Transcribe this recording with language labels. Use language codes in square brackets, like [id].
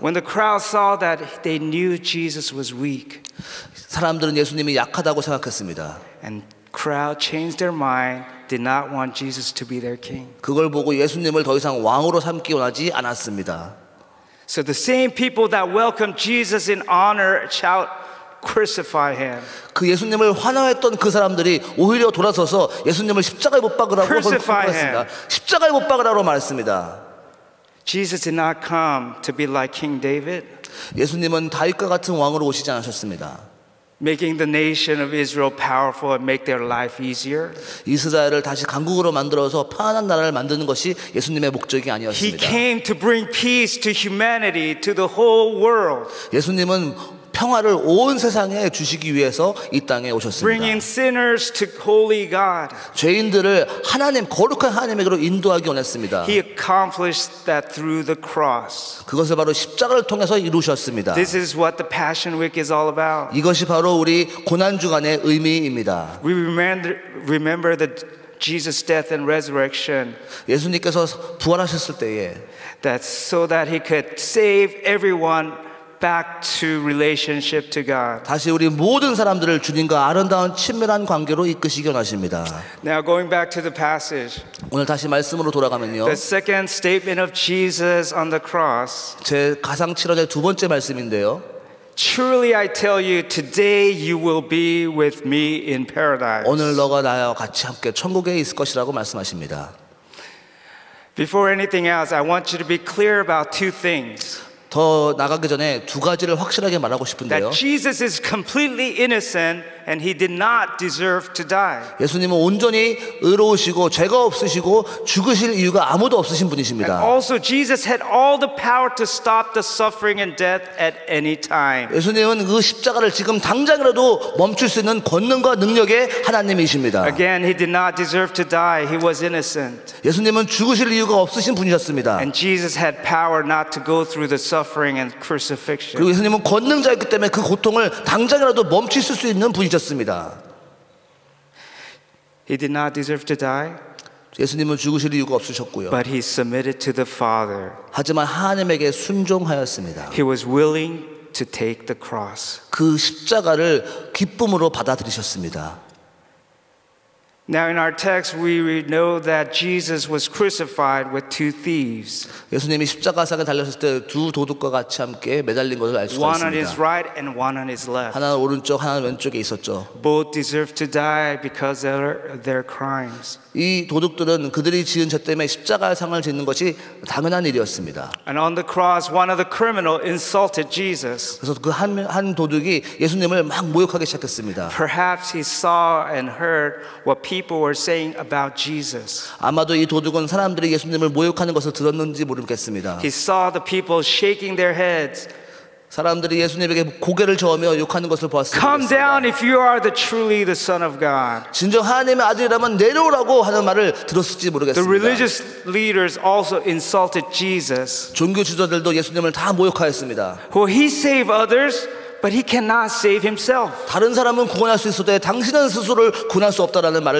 [en] When the crowd saw that, they knew Jesus was weak. [ko] 사람들은 예수님이 약하다고 생각했습니다. [en] And crowd changed their mind, did not want Jesus to be their king. [ko] 그걸 보고 예수님을 더 이상 왕으로 삼기 원하지 않았습니다. [en] So the same people that welcomed Jesus in honor shout, crucify him. [ko] 그 예수님을 환호했던 그 사람들이 오히려 돌아서서 예수님을 십자가에 못 박으라고 말했습니다. 십자가에 못 박으라고 말했습니다. [en] Jesus did not come to be like King David. [ko] 예수님은 다윗과 같은 왕으로 오시지 않으셨습니다. [en] Making the nation of Israel powerful and make their life easier. [ko] 이스라엘을 다시 강국으로 만들어서 편안한 나라를 만드는 것이 예수님의 목적이 아니었습니다. [en] He came to bring peace to humanity, to the whole world. [ko] 예수님은 평화를 온 세상에 주시기 위해서 이 땅에 오셨습니다. [en] Bringing sinners to holy God. [ko] 죄인들을 하나님 거룩한 하나님에게로 인도하기 원했습니다. [en] He accomplished that through the cross. [ko] 그것을 바로 십자가를 통해서 이루셨습니다. [en] This is what the Passion Week is all about. [ko] 이것이 바로 우리 고난 주간의 의미입니다. [en] We remember the Jesus' death and resurrection. [ko] 예수님께서 부활하셨을 때에 [en] that's so that he could save everyone back to relationship to God. [ko] 다시 우리 모든 사람들을 주님과 아름다운 친밀한 관계로 이끄시기 원하십니다. [en] Now going back to the passage. [ko] 오늘 다시 말씀으로 돌아가면요. [en] The second statement of Jesus on the cross. [ko] 제 가상 7절의 두 번째 말씀인데요. [en] Truly I tell you today you will be with me in paradise. [ko] 오늘 너가 나와 같이 함께 천국에 있을 것이라고 말씀하십니다. [en] Before anything else, I want you to be clear about two things. [ko] 더 나가기 전에 두 가지를 확실하게 말하고 싶은데요. [en] That Jesus is completely innocent and he did not deserve to die. [ko] 예수님은 온전히 의로우시고 죄가 없으시고 죽으실 이유가 아무도 없으신 분이십니다. [en] And also Jesus had all the power to stop the suffering and death at any time. [ko] 예수님은 그 십자가를 지금 당장이라도 멈출 수 있는 권능과 능력의 하나님이십니다. [en] Again he did not deserve to die. He was innocent. [ko] 예수님은 죽으실 이유가 없으신 분이셨습니다. [en] And Jesus had power not to go through the suffering and crucifixion. [ko] 그리고 예수님은 권능자였기 때문에 그 고통을 당장이라도 멈출 수 있는 분이셨습니다. [en] He did not deserve to die. [ko] 예수님은 죽으실 이유가 없으셨고요. [en] But he submitted to the Father. [ko] 하지만 하나님에게 순종하였습니다. [en] He was willing to take the cross. [ko] 그 십자가를 기쁨으로 받아들이셨습니다. [en] Now in our text we know that Jesus was crucified with two thieves. [ko] 예수님이 십자가상에 달렸을 때 두 도둑과 같이 함께 매달린 것을 알 수 있습니다. [en] One on his right and one on his left. [ko] 하나는 오른쪽 하나는 왼쪽에 있었죠. [en] Both deserved to die because of their crimes. [ko] 이 도둑들은 그들이 지은 죄 때문에 십자가상을 짓는 것이 당연한 일이었습니다. [en] And on the cross one of the criminals insulted Jesus. [ko] 그래서 그 한 도둑이 예수님을 막 모욕하기 시작했습니다. [en] Perhaps he saw and heard what people were saying about Jesus. [ko] 아마도 이 도둑은 사람들이 예수님을 모욕하는 것을 들었는지 모르겠습니다. [en] He saw the people shaking their heads. [ko] 사람들이 예수님에게 고개를 저으며 욕하는 것을 보았습니다. [en] Come down if you are the truly the son of God. [ko] 진정 하나님의 아들이라면 내려오라고 하는 말을 들었을지 모르겠습니다. [en] The religious leaders also insulted Jesus. [ko] 종교 지도자들도 예수님을 다 모욕하였습니다. [en] Who he saved others? But he cannot save himself. [ko] 다른 사람은 구원할 수 있어도 당신은 스스로를 구원할 수 없다라는 말을